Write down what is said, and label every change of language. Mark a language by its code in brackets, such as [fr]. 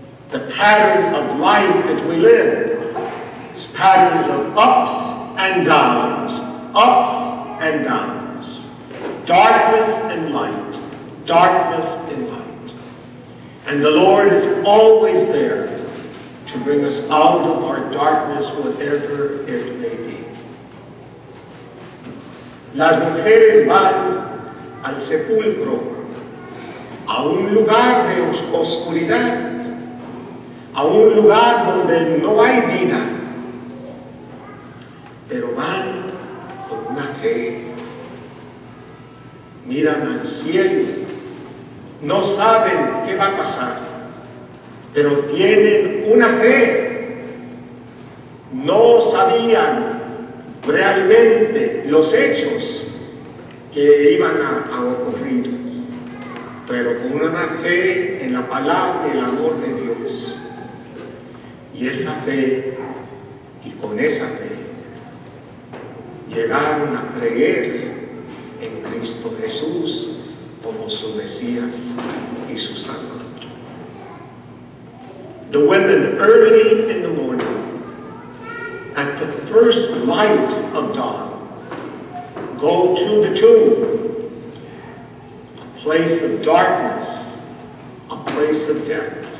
[en] The pattern of life that we live is patterns of ups and downs, ups and downs, darkness and light, darkness and light. And the Lord is always there to bring us out of our darkness, whatever it may be. [es] Las mujeres van al sepulcro, a un lugar de oscuridad, a un lugar donde no hay vida. Pero van con una fe. fe, miran al cielo, no saben qué va a pasar, pero tienen una fe. No sabían realmente los hechos que iban a ocurrir, pero con una fe en la palabra y el amor de Dios. Y esa fe, y con esa fe, llegaron a creer en Cristo Jesús como su Mesías y su Salvador. [en] The women early in the morning, at the first light of dawn, go to the tomb, a place of darkness, a place of death.